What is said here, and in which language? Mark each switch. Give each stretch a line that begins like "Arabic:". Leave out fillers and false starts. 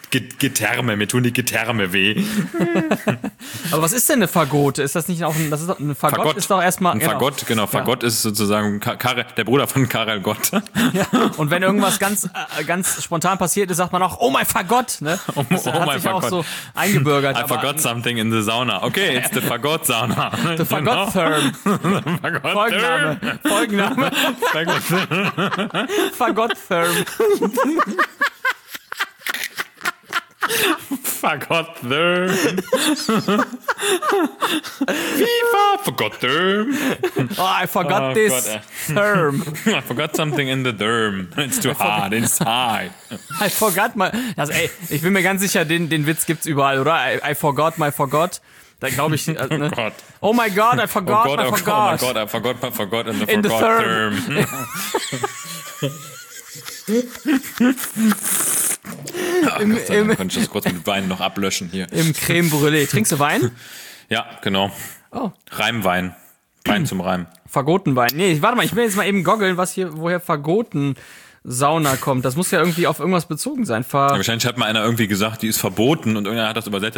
German: Getherme, mir tun die Getherme weh. Aber was ist denn eine Fagote? Ist das nicht auch ein Fagott? Fagott ist doch erstmal... Ein Fagott, genau. Fagott ist sozusagen der Bruder von Karel Gott. Ja. Und wenn irgendwas ganz spontan passiert ist, sagt man auch, oh mein Fagott. Ne? Oh mein Fagott. Das hat sich auch so eingebürgert.
English: I forgot something in the sauna. Okay, it's the Fagott sauna. The Fagott Therm.
German: Folgenname. Folgenname. Fagott Therm. Fagott Therm. FIFA Fagott Therm.
English: Oh, I forgot this Therm. I forgot something in the Therm. It's too hard, it's high. I forgot my...
German: Also, ey, ich bin mir ganz sicher, den Witz gibt's überall, oder?
English: I forgot my Fagott.
German: Da glaube ich, ne? Oh Gott.
English: Oh my God, I forgot, oh God, my forgot. Oh my God, I forgot my forgot in the in forgot the therm.
German: Könnte ich das kurz mit Wein noch ablöschen hier. Im Creme Brûlée. Trinkst du Wein? Ja, genau. Oh. Reimwein. Wein zum Reim. Fagottenwein. Nee, warte mal, ich will jetzt mal eben goggeln, woher Fagotten Sauna kommt. Das muss ja irgendwie auf irgendwas bezogen sein. Wahrscheinlich hat mal einer irgendwie gesagt, die ist verboten und irgendeiner hat das übersetzt.